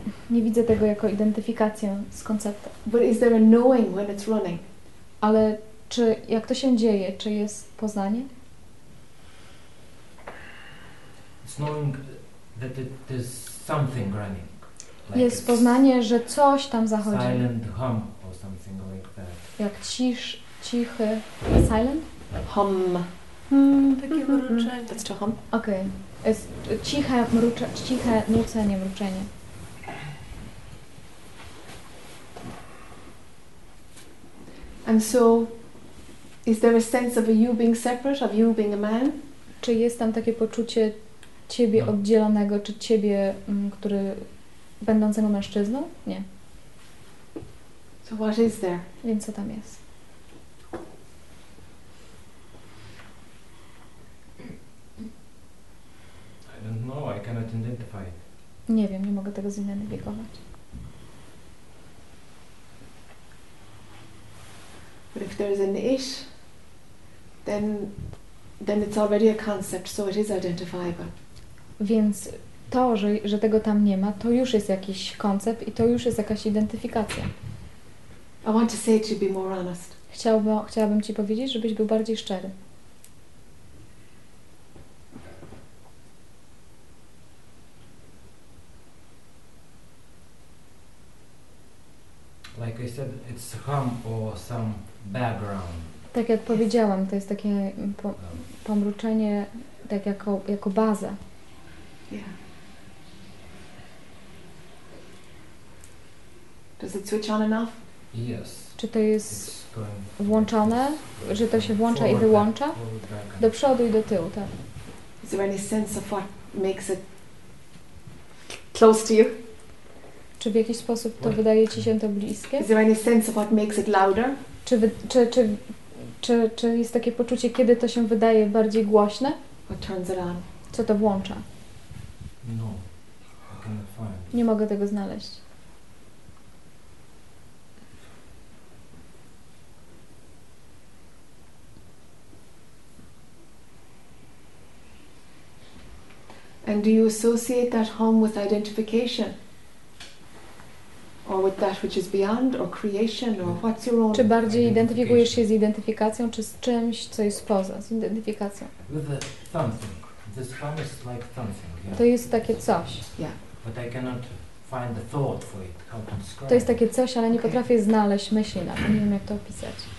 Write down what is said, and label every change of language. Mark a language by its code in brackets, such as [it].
[pl] Nie widzę tego jako identyfikację z konceptem. [en] But is there a knowing when it's running? [pl] Ale czy jak to się dzieje, czy jest poznanie? [en] It's knowing that it is something running. Like [pl] jest poznanie, że coś tam zachodzi. [en] Silent hum or something like that. [pl] Jak cichy [en] silent? Hum. Hmm, [pl] takie mruczenie. [en] That's to hum. Okej. Okay. [pl] Jest ciche nucenie, mruczenie. [en] And so is there a sense of you being separate, of you being a man? [pl] Czy jest tam takie poczucie ciebie no. oddzielonego, czy ciebie, który będącego mężczyzną? Nie. [en] So what is there? [pl] Więc co tam jest? [en] I don't know, I cannot identify it. [pl] Nie wiem, nie mogę tego zidentyfikować. [en] But if there is an it, then it's already a concept, so it is identifiable. [pl] Więc to, że tego tam nie ma, to już jest jakiś koncept i to już jest jakaś identyfikacja. [en] I want to say it to be more honest. [pl] Chciałabym ci powiedzieć, żebyś był bardziej szczery. [en] Like I said, it's hum or some background. [pl] Tak jak powiedziałam, to jest takie pomruczenie, tak jako baza. [en] Yeah. Does it switch on and off? Yes. [pl] Czy to jest włączone? Że to się włącza i wyłącza? Do przodu i do tyłu, tak. [en] Is there any sense of what makes it close to you? [pl] Czy w jakiś sposób to wydaje ci się to bliskie? [en] Is there any sense of what makes it louder? [pl] Czy jest takie poczucie, kiedy to się wydaje bardziej głośne? [en] What turns it on? [pl] Co to włącza? [en] No, I cannot find. [pl] Nie mogę tego znaleźć. [en] And do you associate that home with identification? Or with that which is beyond, or creation, or what's your own? [pl] Czy bardziej identyfikujesz się z identyfikacją, czy z czymś, co jest poza, z identyfikacją? [en] With the something. This home is like something. Yeah. [pl] To jest takie coś. [en] Yeah. But I cannot find the thought for it. How to describe? [pl] To jest takie coś, ale nie potrafię znaleźć myśli na to. Nie wiem, jak to opisać.